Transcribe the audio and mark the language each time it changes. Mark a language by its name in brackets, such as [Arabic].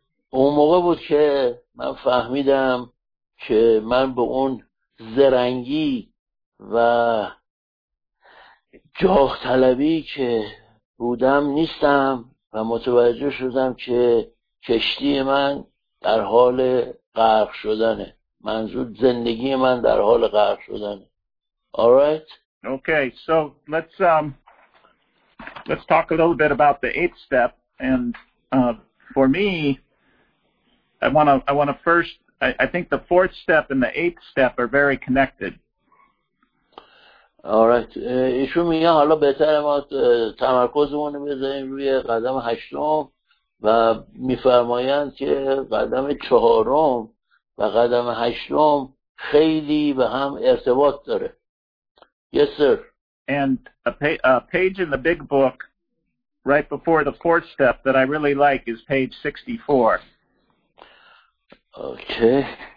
[Persian] اون موقع بود که من فهمیدم که من به اون زرنگی و جاه طلبی که بودم نیستم و متوجه شدم که کشتی من در حال غرق شدنه. منظور زندگی من در حال غرق شدنه. [English] All right. Okay, so let's talk a little bit about the eighth step. And for me, I think the fourth step and the eighth step are very connected. [Persian] آره ایشون میگه حالا بهتره ما تمرکزمون رو بذاریم روی قدم هشتم و میفرمایند که قدم چهارم و قدم هشتم خیلی به هم ارتباط داره. [English] Yes sir. And a page in the big book right before the fourth step that I really like is page 64. Okay.